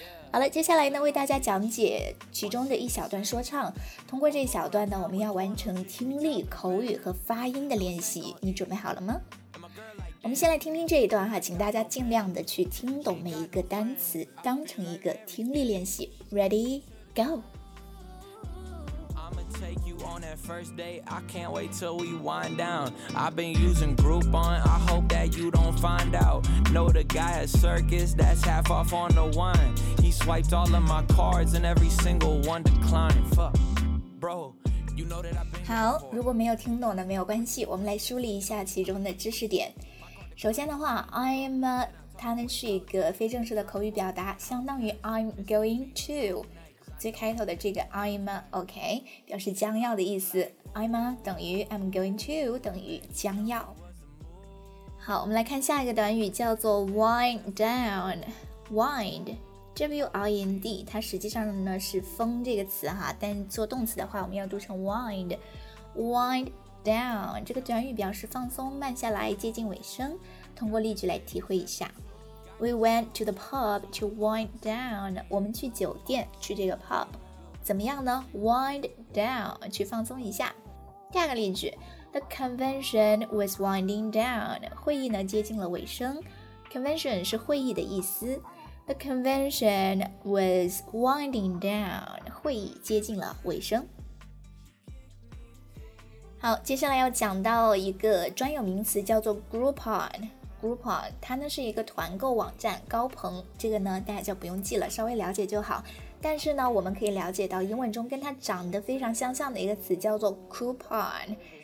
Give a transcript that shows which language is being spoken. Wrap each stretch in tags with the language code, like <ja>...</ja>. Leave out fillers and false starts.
<zh>好了，接下来呢为大家讲解其中的一小段说唱，通过这小段呢我们要完成听力、口语和发音的练习，你准备好了吗？我们先来听听这一段哈，请大家尽量的去听懂每一个单词，当成一个听力练习。</zh> <en>Ready, go! I'ma take you on that first date, I can't wait till we wind down. I've been using Groupon, I hope that you don't find out. Know the guy at Circus, that's half off on the wine. He swiped all of my cards and every single one declined. Fuck, bro.</en> <zh>好，如果没有听懂的没有关系，我们来梳理一下其中的知识点。首先的话 I'm 它呢是一个非正式的口语表达，相当于</zh> <en>I'm going to，</en> <zh>最开头的这个 I'm OK 表示将要的意思， I'm 等于 I'm going to 等于将要。好，我们来看下一个短语，叫做 wind down。 wind W-I-N-D， 它实际上呢是风这个词哈，但做动词的话我们要读成 wind。 Wind down 这个短语表示放松，慢下来，接近尾声。通过例句来体会一下。</zh> <en>We went to the pub to wind down。</en> <zh>我们去酒店，去这个 pub 怎么样呢？</zh> <en>Wind down，</en> <zh>去放松一下。</zh> <en>第二个例句， The convention was winding down。</en> <zh>会议呢接近了尾声。 Convention 是会议的意思。</zh> <en>The convention was winding down，</en> <zh>会议接近了尾声。好，接下来要讲到一个专有名词，叫做 Groupon。 Groupon 它呢是一个团购网站，高朋，这个呢大家就不用记了，稍微了解就好。但是呢我们可以了解到英文中跟它长得非常相像的一个词，叫做 Coupon。</zh>